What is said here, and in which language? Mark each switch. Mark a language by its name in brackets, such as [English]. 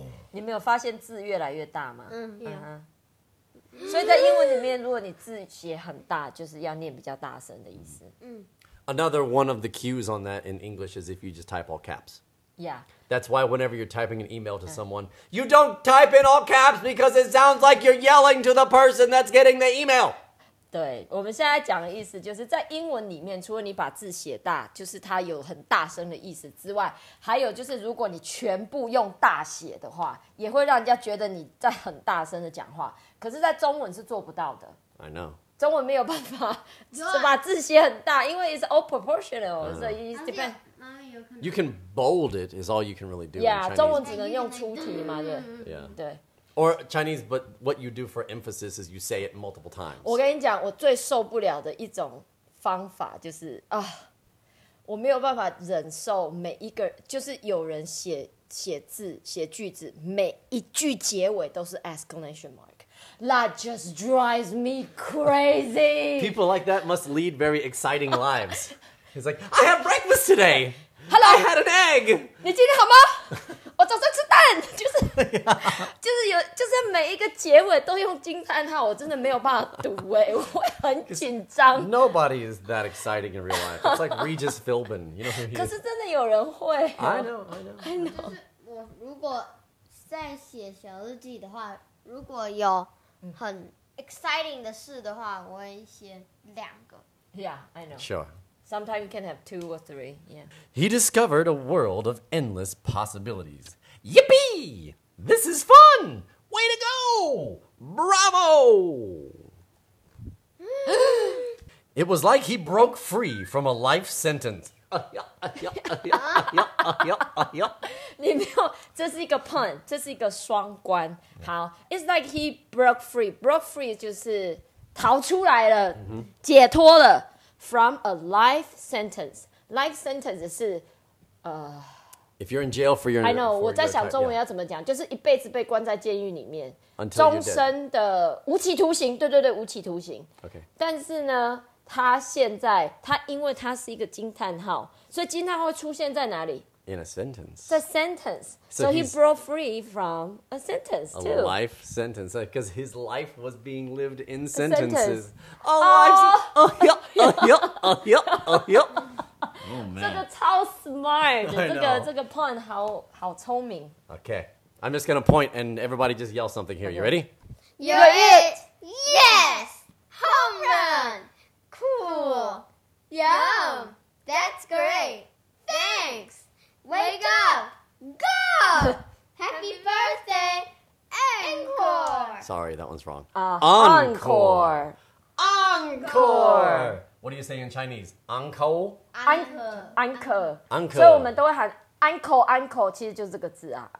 [Chinese] 你没有发现字越来越大吗？嗯，有。所以在英文里面，如果你字写很大，就是要念比较大声的意思。嗯。 [English] Another one of the cues on that in English is if you just type all caps. Yeah. That's why whenever you're typing an email to someone, you don't type in all caps because it sounds like you're yelling to the person that's getting the email. [Chinese] 对，我们现在讲的意思就是在英文里面，除了你把字写大，就是它有很大声的意思之外，还有就是如果你全部用大写的话，也会让人家觉得你在很大声的讲话。可是在中文是做不到的。 [English] I know. [Chinese] 中文没有办法是把字写很大，因为 [English] it's all proportional, so it depends. You can bold it is all you can really do. Yeah, in Chinese. [Chinese] 中文只能用出题嘛，对。 [English] Yeah. [Chinese] 对。 [English] Or Chinese, but what you do for emphasis is you say it multiple times. [Chinese] 我跟你讲，我最受不了的一种方法就是啊，我没有办法忍受每一个，就是有人写字写句子，每一句结尾都是 [English] exclamation mark. That just drives me crazy. People like that must lead very exciting lives. He's like, I had breakfast today. Hello. I had an egg. [Chinese] 你今天好吗？我早上吃蛋。就是就是有就是每一个结尾都用惊叹号，我真的没有办法读哎，我会很紧张。 [English] Nobody is that exciting in real life. It's like Regis Philbin, you know who he is. [Chinese] 可是真的有人会。 [English] I know. [Chinese] 就是我如果在写小日记的话。如果有很 exciting 的事的话，我会写两个。 [English] Yeah, I know. Sure. Sometimes you can have two or three. Yeah. He discovered a world of endless possibilities. Yippee! This is fun. Way to go! Bravo! It was like he broke free from a life sentence. [Chinese] 你没有，这是一个 pun， 这是一个双关。好 ， [English] It's like he broke free. Broke free [Chinese] 就是逃出来了， mm-hmm. 解脱了 [English] from a life sentence. Life sentence [Chinese] 是 [English] If you're in jail for your I know [Chinese] 我在想中文要怎么讲， [English] yeah. [Chinese] 就是一辈子被关在监狱里面， [English] Until、 [Chinese] 终身的无期徒刑。对对对，无期徒刑。 [English] Okay， [Chinese] 但是呢，他现在他因为他是一个惊叹号，所以惊叹号会出现在哪里？ [English] In a sentence. The sentence. So he broke free from a sentence, too. A life sentence. Because his life was being lived in sentences. A sentence. Oh, man. This is so smart. This pun is so smart. Okay. I'm just going to point and everybody just yell something here. You ready? You're it. Yes. Home run. Cool. Yum. That's great. Thanks. Wake up! Go! Happy birthday! Encore! Sorry, that one's wrong. Encore! Encore! What do you say in Chinese? Encore? Encore. Encore. [Chinese] 所以我们都会喊 encore, encore, 其实就是这个字啊。